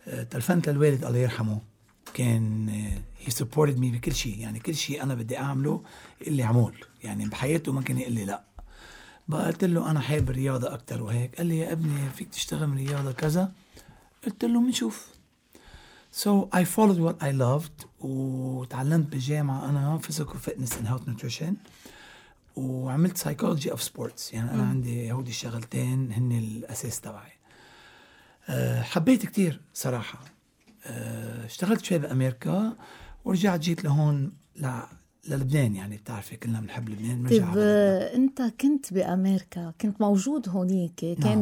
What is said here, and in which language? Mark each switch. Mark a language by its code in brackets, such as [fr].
[ar] تلفنت للوالد الله يرحمه، كان [en] he supported me [ar] بكل شيء، يعني كل شيء أنا بدي أعمله اللي عمول، يعني بحياته ما كان يقول لي لا. بقى قلت له أنا حاب الرياضة أكتر وهيك، قال لي يا ابني فيك تشتغل من الرياضة كذا، قلت له منشوف. [en] So I followed what I loved [ar] وتعلمت بالجامعة أنا [en] physical fitness and health nutrition، [ar] وعملت [en] psychology of sports. [ar] يعني أنا عندي هودي الشغلتين هن الأساس تبعي. حبيت كتير صراحة. اشتغلت شوي بأمريكا ورجعت جيت لهون للبنان، يعني بتعرفي كلنا بنحب لبنان. طيب انت كنت بأمريكا، كنت موجود هونيك، كان نعم.